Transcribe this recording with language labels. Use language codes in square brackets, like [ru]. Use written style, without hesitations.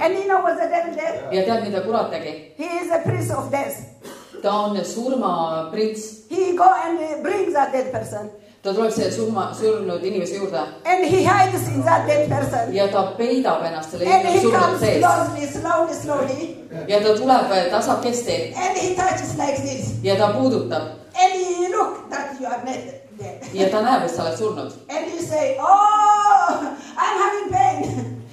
[en] And he know was the devil there. [et] Ja tead, mida kurat tegi. [en] He is a prince of death. [et] Ta on surma prits. [en] He go and brings that dead person. [et] Ta tuleb see surnud inimese juurde. [en] And he hides in that dead person. [et] Ja ta peidab ennast selle inimese surnud sees. [en] And he comes slowly, slowly, slowly. [et] Ja ta tuleb tasakesti. [en] And he touches like this. [et] Ja ta puudutab. [en] And he look that you are dead. [et] Ja ta näeb, et sa oled surnud. [en] And you say, oh, I'm having pain.